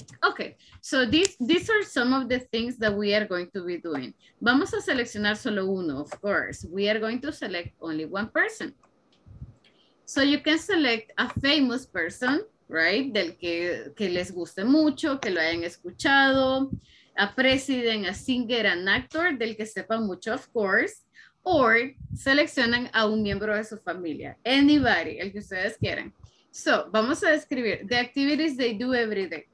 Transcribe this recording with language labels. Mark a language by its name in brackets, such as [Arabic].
[English] Okay, so these are some of the things that we are going to be doing. [Spanish] Vamos a seleccionar solo uno, [English] of course. We are going to select only one person. So you can select a famous person, right? [Spanish] Del que les guste mucho, que lo hayan escuchado. [English] A president, a singer, an actor, [Spanish] del que sepan mucho, [English] of course. [Spanish] Or seleccionan a un miembro de su familia. Anybody, el que ustedes quieran. [English] So, [Spanish] vamos a describir [English] the activities they do every day.